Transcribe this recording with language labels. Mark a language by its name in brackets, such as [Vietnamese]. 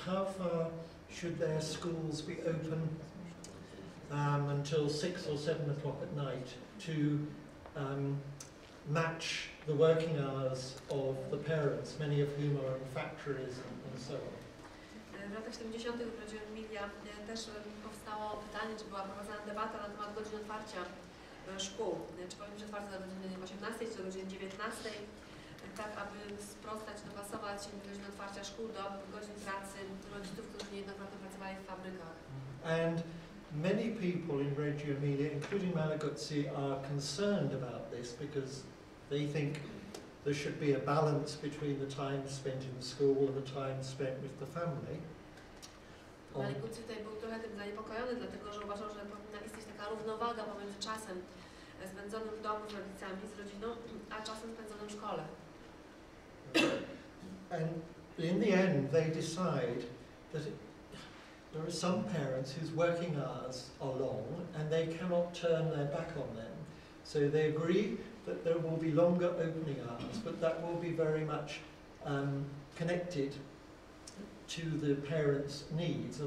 [English] How far should their schools be open until 6 or 7 o'clock at night to match the working hours of the parents, many of whom are in factories and so on? [Polish] W latach 70. w Radzie Emilia też powstało pytanie, czy była prowadzona debata na temat godzin otwarcia szkół. Czy powinny być otwarte do godziny 18, czy do godziny 19, tak aby sprostać, dopasować godziny otwarcia szkół do godzin pracy rodziców, którzy niejednokrotnie pracowali w fabrykach. [English] And many people in Radzie Emilia, including Malagutzi, are concerned about this because they think there should be a balance between the time spent in the school and the time spent with the family. [Polish] Pani Kucy tutaj był trochę tym zaniepokojony, dlatego że uważał, że powinna istnieć taka równowaga pomiędzy czasem spędzonym w domu z rodzicami, z rodziną, a czasem spędzonym w szkole. [English] And in the end they decide that there are some parents whose working hours are long and they cannot turn their back on them. So they agree that there will be longer opening hours, but that will be very much connected to the parents' needs.